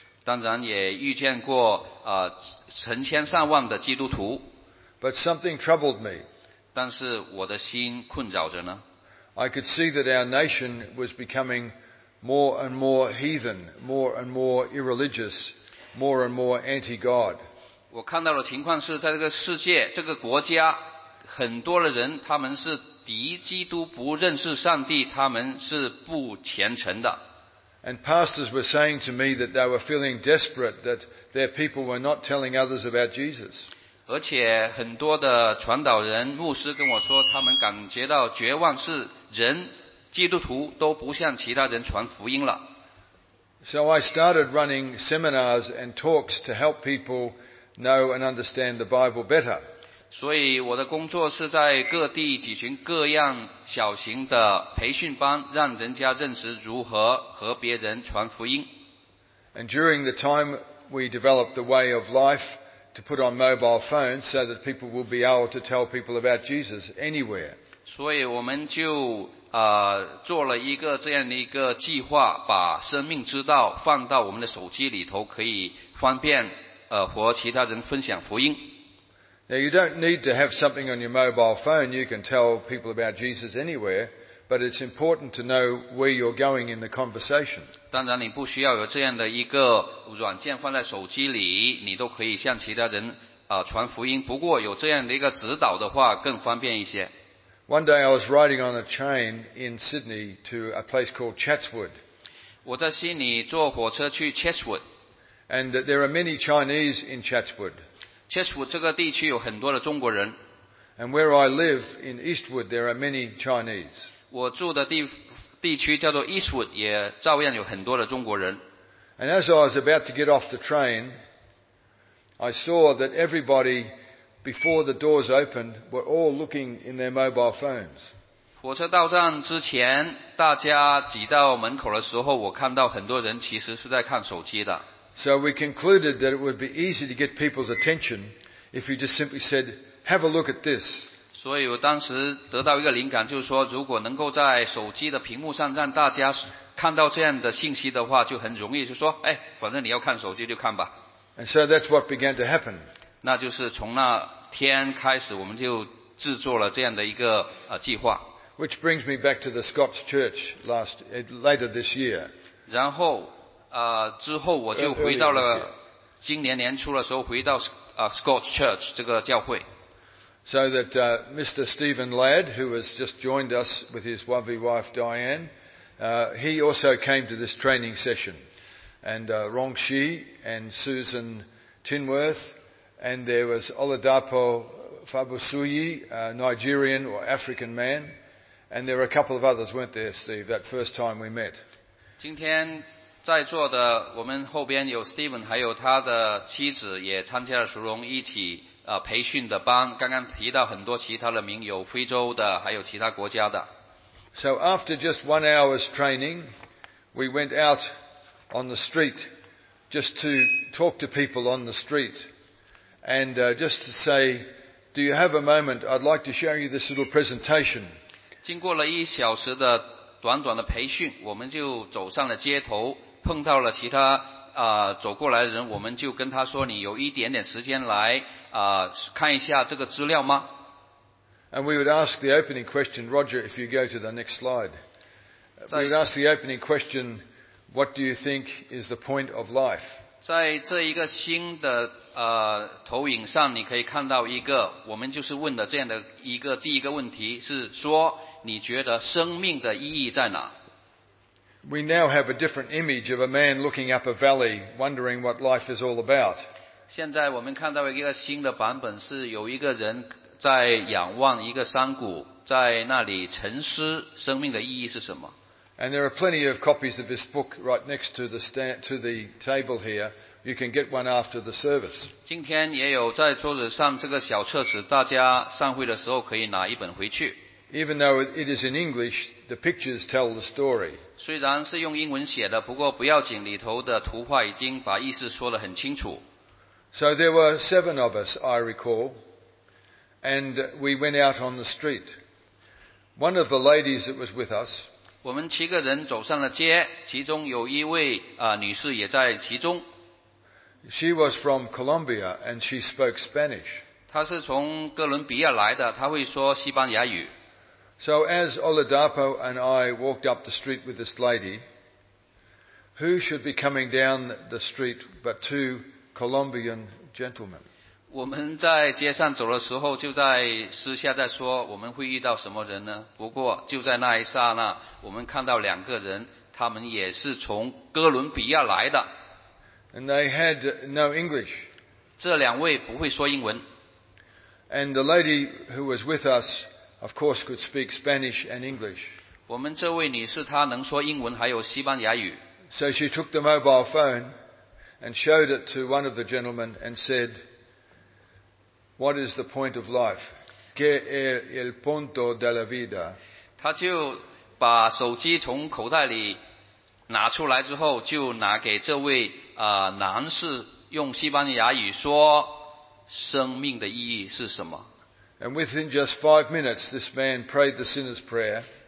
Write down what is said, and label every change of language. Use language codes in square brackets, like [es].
[zh] 当然也遇见过成千上万的基督徒。 [en] But something troubled me. [zh] 但是我的心困扰着呢。 [en] I could see that our nation was becoming more and more heathen, more and more irreligious, more and more anti-God. [zh] 我看到的情况是在这个世界，这个国家，很多的人他们是敌基督，不认识上帝，他们是不虔诚的。 [en] And pastors were saying to me that they were feeling desperate that their people were not telling others about Jesus. [zh] 而且很多的传道人、牧师跟我说，他们感觉到绝望，是人基督徒都不向其他人传福音了。 [en] So I started running seminars and talks to help people know and understand the Bible better. [zh] 所以我的工作是在各地举行各样小型的培训班，让人家认识如何和别人传福音。 [en] And during the time we developed the way of life to put on mobile phones so that people will be able to tell people about Jesus anywhere. [zh] 所以我们就做了一个这样的一个计划，把生命之道放到我们的手机里头，可以方便和其他人分享福音。 [en] Now you don't need to have something on your mobile phone. You can tell people about Jesus anywhere, but it's important to know where you're going in the conversation. [zh] 当然，你不需要有这样的一个软件放在手机里，你都可以向其他人传福音。不过有这样的一个指导的话，更方便一些。 [en] One day I was riding on a train in Sydney to a place called Chatswood. [zh] 我在悉尼坐火车去 Chatswood. [en] And there are many Chinese in Chatswood. [zh] Chatswood 这个地区有很多的中国人。 [en] And where I live in Eastwood, there are many Chinese. [zh] 我住的地区叫做 Eastwood, 也照样有很多的中国人。 [en] And as I was about to get off the train, I saw that everybody... Before the doors opened, were all looking in their mobile phones. [zh] 火车到站之前，大家挤到门口的时候，我看到很多人其实是在看手机的。 [en] So we concluded that it would be easy to get people's attention if you just simply said, "Have a look at this." [zh] 所以我当时得到一个灵感，就是说，如果能够在手机的屏幕上让大家看到这样的信息的话，就很容易就说，哎，反正你要看手机就看吧。 [en] And so that's what began to happen. [zh] 那就是从那天开始，我们就制作了这样的一个计划。 [en] Which brings me back to the Scots Church later this year. [zh] 然后之后我就回到了今年年初的时候回到Scots Church 这个教会。 [en] So that Mr. Stephen Ladd, who has just joined us with his lovely wife Diane, he also came to this training session, and Rong Shi and Susan Tinworth. And there was Oladapo Fabusuyi, a Nigerian or African man. And there were a couple of others, weren't there, Steve, that first time we met. [zh] 今天在座的我们后边有 Steven, 还有他的妻子也参加了熟龙一起培训的班。刚刚提到很多其他的名，有非洲的，还有其他国家的。 [en] So after just 1 hour's training, we went out on the street just to talk to people on the street. And just to say, do you have a moment? I'd like to show you this little presentation. [zh] 经过了一小时的短短的培训，我们就走上了街头，碰到了其他走过来的人，我们就跟他说，你有一点点时间来看一下这个资料吗？ [en] And we would ask the opening question, Roger, if you go to the next slide. We would ask the opening question, what do you think is the point of life? [zh] 在这一个新的投影上，你可以看到一个，我们就是问的这样的一个第一个问题是说，你觉得生命的意义在哪 [en] ？We now have a different image of a man looking up a valley, wondering what life is all about. [zh] 现在我们看到一个新的版本是有一个人在仰望一个山谷，在那里沉思生命的意义是什么。 [en] And there are plenty of copies of this book right next to the stand, to the table here. You can get one after the service. [zh] 今天也有在桌子上这个小册子，大家散会的时候可以拿一本回去。 [en] Even though it is in English, the pictures tell the story. [zh] 虽然是用英文写的，不过不要紧，里头的图画已经把意思说得很清楚。 [en] So there were seven of us, I recall, and we went out on the street. One of the ladies that was with us, [zh] 我们七个人走上了街，其中有一位女士也在其中。 [en] She was from Colombia and she spoke Spanish. [zh] 她是从哥伦比亚来的，她会说西班牙语。 [en] So as Oladapo and I walked up the street with this lady, who should be coming down the street but two Colombian gentlemen? [zh] 我们在街上走的时候，就在私下在说我们会遇到什么人呢？不过就在那一刹那，我们看到两个人，他们也是从哥伦比亚来的。 [en] And they had no English. [zh] 这两位不会说英文。 [en] And the lady who was with us, of course, could speak Spanish and English. [zh] 我们这位女士她能说英文还有西班牙语。 [en] So she took the mobile phone and showed it to one of the gentlemen and said, "What is the point of life? [es] ¿Qué es el punto de la vida?" [zh] 她就把手机从口袋里拿出来之后，就拿给这位男士用西班牙语说，生命的意义是什么。 [en] And within just 5 minutes, this man prayed the sinner's prayer.